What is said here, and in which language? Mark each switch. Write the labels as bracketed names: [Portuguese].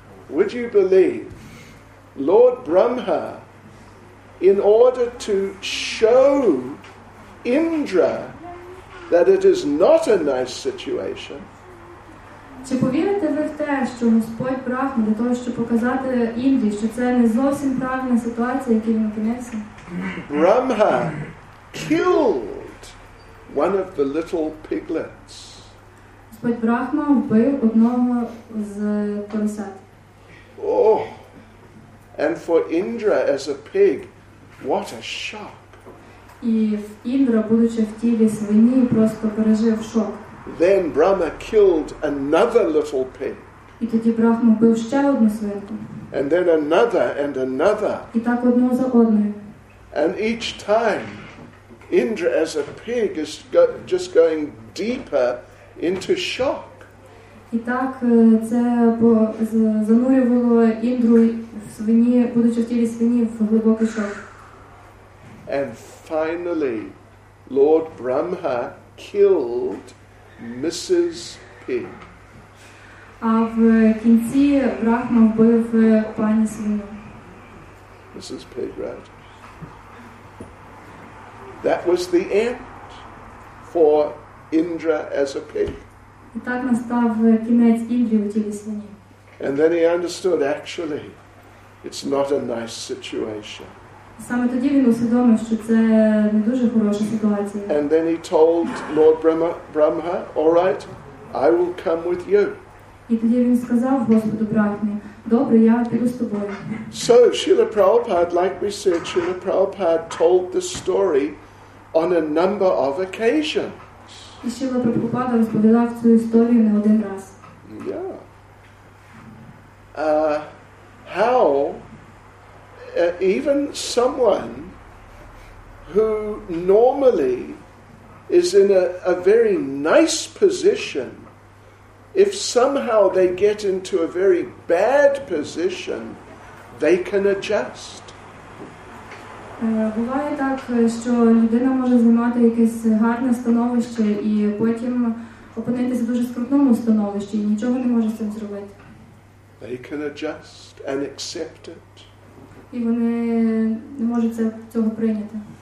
[English] Would you believe Lord Brahma, in order to show Indra that it is not a nice situation? [Ukrainian] Чи повірите ви в те, що Господь Брахма для того, щоб показати Індрі, що це не зовсім правильна ситуація, яка він кінець? [English] Brahma killed one of the little piglets. [Ukrainian] Господь Брахма вбив одного з поросят. [English] Oh, and for Indra as a pig, what a shock. [Ukrainian] І Індра, будучи в тілі свині, просто пережив шок. [English] Then Brahma killed another little pig. [Ukrainian] І тоді Брахма вбив ще одну свинку. [English] And then another and another. [Ukrainian] І так одну за одною. [English] And each time Indra as a pig is just going deeper into shock. [Ukrainian] І так це занурювало Індру в свині, будучи в тілі свині, в глибокий шок. [English] And finally Lord Brahma killed Mrs. Pig. [Ukrainian] А в кінці Брахма вбив пані свиню. [English] Mrs. Pig, right? That was the end for Indra as a pig. [Ukrainian] І так настав кінець Індрі у тілі свині. [English] And then he understood, actually, it's not a nice situation. [Ukrainian] Саме тоді він усвідомив, що це не дуже хороша ситуація. [English] And then he told Lord Brahma, "All right, I will come with you." [Ukrainian] І тоді він сказав Господу Брахмі: "Добре, я піду з тобою." [English] So Śrīla Prabhupāda, like we said, Śrīla Prabhupāda told this story on a number of occasions. [Ukrainian] І Śrīla Prabhupāda розповідав цю історію не один раз. [English] Yeah. How even someone who normally is in a very nice position, if somehow they get into a very bad position, they can adjust. [Ukrainian] Буває так, що людина може займати якесь гарне становище і потім опинитися в дуже скрутному становищі і нічого не може з цим зробити. [English] They can adjust and accept it. [Ukrainian] І вони не можуть цього прийняти.